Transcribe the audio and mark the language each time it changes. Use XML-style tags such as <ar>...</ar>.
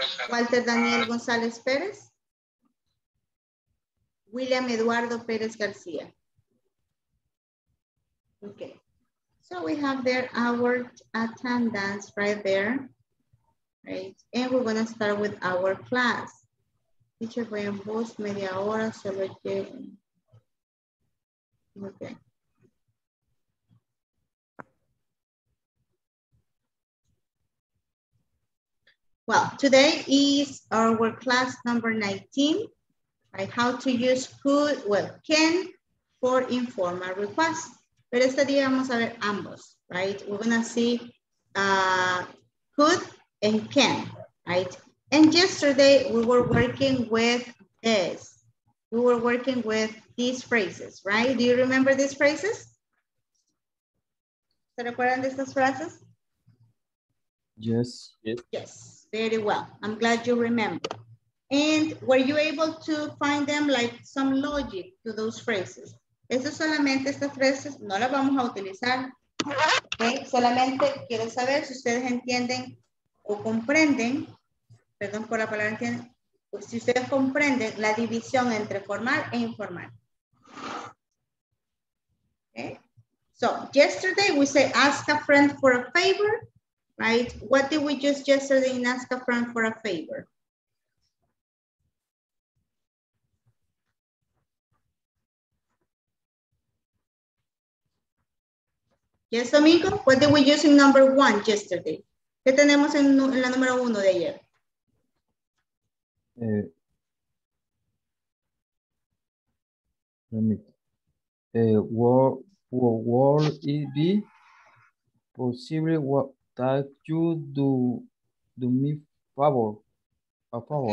<es>Walter Daniel González Pérez. William Eduardo Pérez García.</es> <en>Okay. So we have there our attendance right there, right? And we're gonna start with our class.</en> <es>Teacher, voy en voz media hora, solo que, okay.</es> <en>Well, today is our class number 19, right? How to use could, well, can for informal requests.</en> <es>Pero este día vamos a ver ambos,</es> <en>right? We're gonna see could and can, right? And yesterday we were working with this. We were working with these phrases, right? Do you remember these phrases?</en> <es>¿Se recuerdan de estas frases?</es> <en>Yes. Yes, very well. I'm glad you remember. And were you able to find them like some logic to those phrases?</en> <es>Eso solamente, estas frases no las vamos a utilizar. Okay. Solamente quiero saber si ustedes entienden o comprenden, perdón por la palabra entienden, pues si ustedes comprenden la división entre formal e informal.</es> <en>Okay. So, yesterday we say ask a friend for a favor, right? What did we use yesterday in ask a friend for a favor? Yes, Domingo, what did we use in number one yesterday?</en> <es>¿Qué tenemos en la número uno de ayer?</es> <en>What it be possible what, that you do me favor, a favor?</en>